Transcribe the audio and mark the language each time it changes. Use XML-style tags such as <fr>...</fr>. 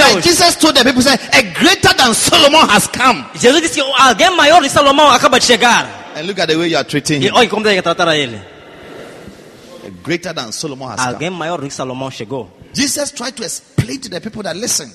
<en>Like Jesus told the people, say, a greater than Solomon has come.</en> <pt>Jesus disse que alguém maior do que Salomão acaba de chegar.</pt> <en>And look at the way you are treating him.</en> <pt>E olha como você está tratando ele.</pt> <en>Greater than Solomon has come.</en> <pt>Alguém maior do que Salomão chegou.</pt> <en>Jesus tried to explain to the people that listen.</en>